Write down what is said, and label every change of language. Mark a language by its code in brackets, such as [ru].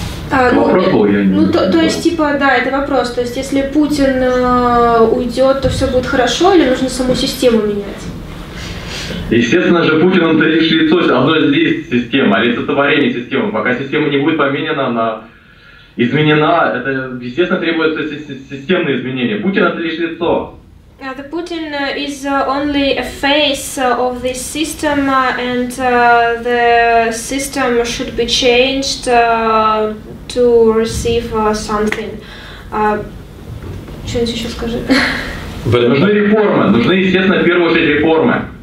[ru] Это вопрос. То есть, если Путин уйдет, то все будет хорошо, или нужно саму систему менять? Естественно же, Путин, он-то лишь лицо, одно из действий системы, олицетворение системы. Пока система не будет поменена, она изменена, это, естественно, требуется системные изменения. Путин – это лишь лицо. [en] The Putin is only a face of this system, and the system should be changed to receive something. [ru] Что-нибудь еще скажи? Нужны реформы, нужны, естественно, в первую очередь реформы.